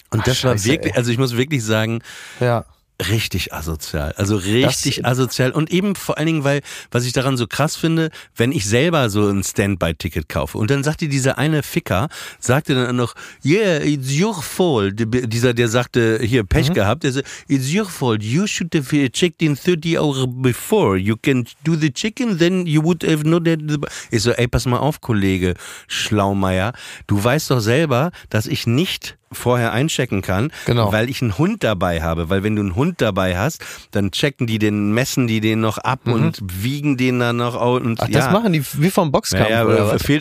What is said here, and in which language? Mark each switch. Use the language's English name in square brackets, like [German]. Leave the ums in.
[German] Und Ach, das war wirklich, also ich muss wirklich sagen, ja. Richtig asozial. Also richtig das asozial. Und eben vor allen Dingen, weil, was ich daran so krass finde, wenn ich selber so ein Standby-Ticket kaufe und dann sagt dir dieser eine Ficker, sagte dann noch, [English] yeah, it's your fault. [German] Dieser, der sagte, hier, Pech mhm. gehabt. Der so, [English] it's your fault. You should have checked in 30 hours before. You can do the chicken, then you would have not had the... [German] Ich so, ey, pass mal auf, Kollege Schlaumeier. Du weißt doch selber, dass ich nicht vorher einchecken kann, genau. weil ich einen Hund dabei habe. Weil wenn du einen Hund dabei hast, dann checken die den, messen die den noch ab mhm. und wiegen den dann noch out. Und Ach, ja. das machen die wie vom Boxkampf. Ja, ja, aber Fehlt